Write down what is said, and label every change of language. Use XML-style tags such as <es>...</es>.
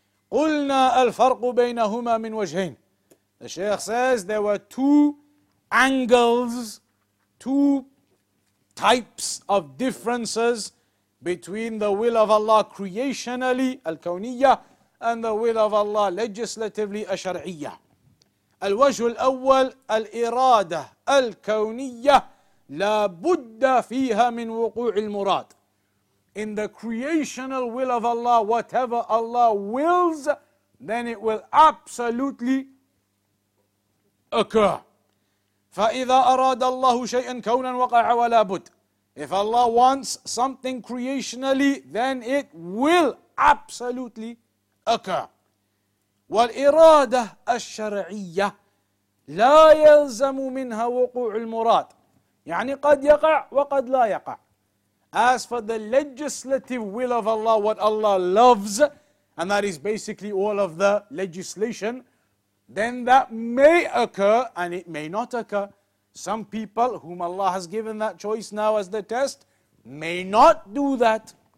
<ar>Qulna al-farq baynahuma min wajhain.</ar> <en>The Shaykh says there were two angles, two types of differences between the will of Allah creationally, al-kawniyya, and the will of Allah legislatively, al-shar'iyya.</en> <ar>الوجه الأول الإرادة الكونية لا بد فيها من وقوع المراد.</ar> <en>In the creational will of Allah, whatever Allah wills, then it will absolutely occur.</en> <ar>فإذا أراد الله شيئا كونا وقع ولا بد.</ar> <en>If Allah wants something creationally, then it will absolutely occur.</en> <ar>والإرادة الشرعية لا يلزم منها وقوع المراد. يعني قد يقع وقد لا يقع.</ar> <en>As for the legislative will of Allah, what Allah loves, and that is basically all of the legislation, then that may occur and it may not occur. Some people whom Allah has given that choice now as the test may not do that.</en>